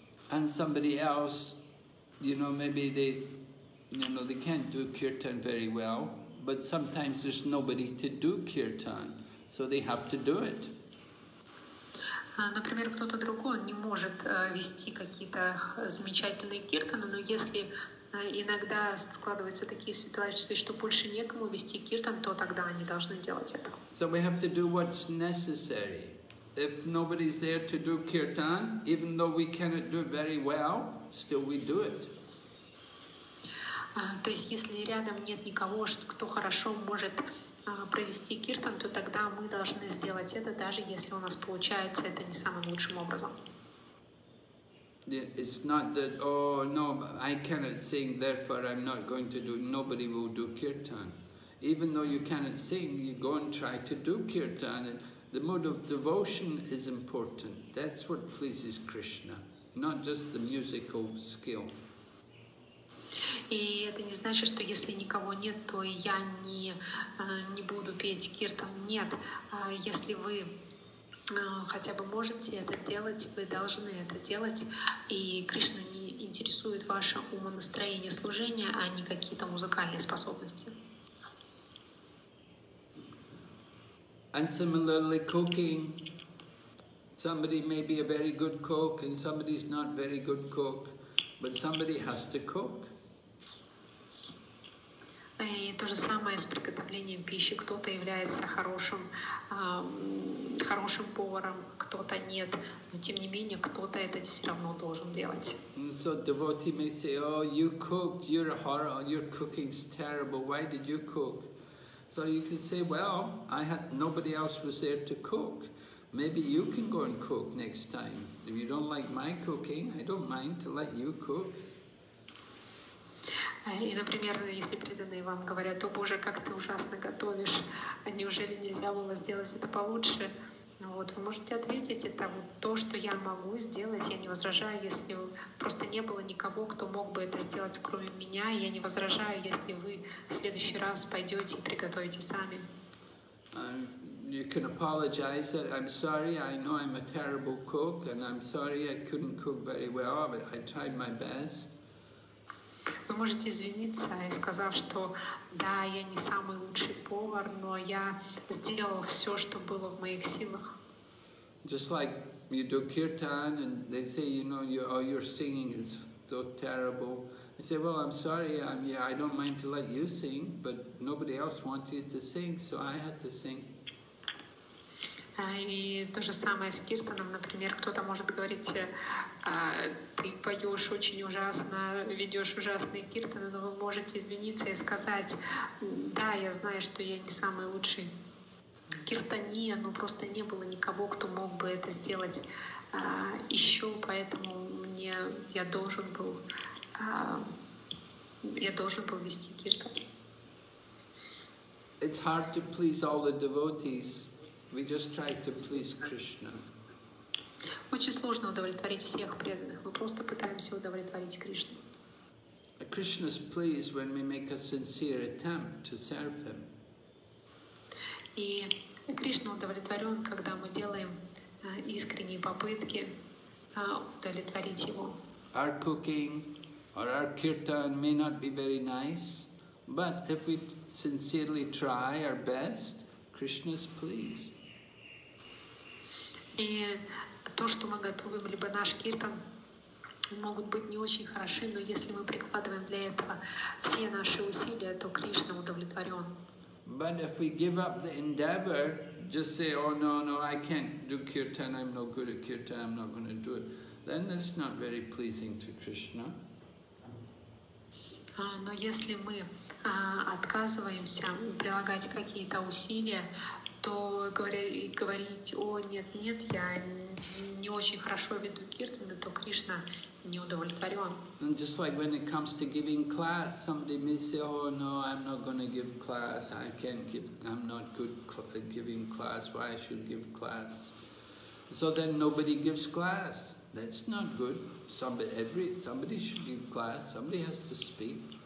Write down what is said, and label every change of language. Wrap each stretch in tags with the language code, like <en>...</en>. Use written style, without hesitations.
<en>And somebody else, you know, maybe they, you know, they can't do kirtan very well, but sometimes there's nobody to do kirtan, so they have to do it.</en> <ru>Например, кто-то другой не может вести какие-то замечательные киртаны, но если иногда складываются такие ситуации, что больше некому вести киртан, то тогда они должны делать это.</ru> <en>So we have to do what's necessary. If nobody's there to do kirtan, even though we cannot do it very well, still we do it.</en> <ru>То есть если рядом нет никого, кто хорошо может провести киртан, то тогда мы должны сделать это, даже если у нас получается это не самым лучшим образом.</ru> <en>It's not that, oh no, I cannot sing, therefore I'm not going to do, nobody will do kirtan. Even though you cannot sing, you go and try to do kirtan. And the mood of devotion is important. That's what pleases Krishna, not just the musical skill.</en> <ru>И это не значит, что если никого нет, то я не буду петь киртан. Нет, если вы хотя бы можете это делать, вы должны это делать. И Кришну не интересует ваше умонастроение служения, а не какие-то музыкальные способности.</ru> <en>And similarly cooking. Somebody may be a very good cook and somebody is not very good cook, but somebody has to cook.</en> <ru>И то же самое с приготовлением пищи. Кто-то является хорошим, хорошим поваром, кто-то нет. Но тем не менее, кто-то это все равно должен делать.</ru> <en>And so devotee may say, oh, you cooked, you're a horror, your cooking's terrible, why did you cook? So you can say, well, I had, nobody else was there to cook. Maybe you can go and cook next time. If you don't like my cooking, I don't mind to let you cook.</en> <ru>И, например, если преданные вам говорят, о боже, как ты ужасно готовишь, а неужели нельзя было сделать это получше? Ну вот, вы можете ответить, это вот то, что я могу сделать, я не возражаю, если просто не было никого, кто мог бы это сделать, кроме меня, и я не возражаю, если вы в следующий раз пойдете и приготовите сами.</ru> <en>You can apologize that I'm sorry, I know I'm a terrible cook, and I'm sorry I couldn't cook very well, but I tried my best.</en> <ru>Вы можете извиниться и сказав, что да, я не самый лучший повар, но я сделал все, что было в моих силах.</ru> <en>Just like you do kirtan, and they say, you know, you, oh, your singing is so terrible. I say, well, I'm sorry, I don't mind to let you sing, but nobody else wanted to sing, so I had to sing.</en> <ru>И то же самое с киртаном, например, кто-то может говорить, ты поешь очень ужасно, ведешь ужасные киртаны, но вы можете извиниться и сказать, да, я знаю, что я не самый лучший киртанин, но просто не было никого, кто мог бы это сделать еще, поэтому мне я должен был вести киртан.</ru> <en>It's hard to please all the devotees. We just try to please Krishna.</en> <ru>Очень сложно удовлетворить всех преданных. Мы просто пытаемся удовлетворить Кришну.</ru> <en>Krishna is pleased when we make a sincere attempt to serve Him.</en> <ru>И Кришна удовлетворен, когда мы делаем искренние попытки удовлетворить Его.</ru> <en>Our cooking or our kirtan may not be very nice, but if we sincerely try our best, Krishna is pleased.</en> <ru>И то, что мы готовим, либо наш киртан, могут быть не очень хороши, но если мы прикладываем для этого все наши усилия, то Кришна удовлетворен.</ru> <en>But if we give up the endeavor, just say, oh no, no, I can't do kirtan, I'm no good at kirtan, I'm not going to do it, then that's not very pleasing to Krishna.</en> <ru>Но если мы отказываемся прилагать какие-то усилия, то говорить: «О, нет-нет, я не очень хорошо веду киртан», то Кришна не удовлетворен.</ru> <en>And just like when it comes to giving class, somebody may say: «О, no, I'm not going to give class, I can't give, I'm not good at giving class, why I should give class?» So then nobody gives class. That's not good. Somebody should give class, somebody has to speak.</en>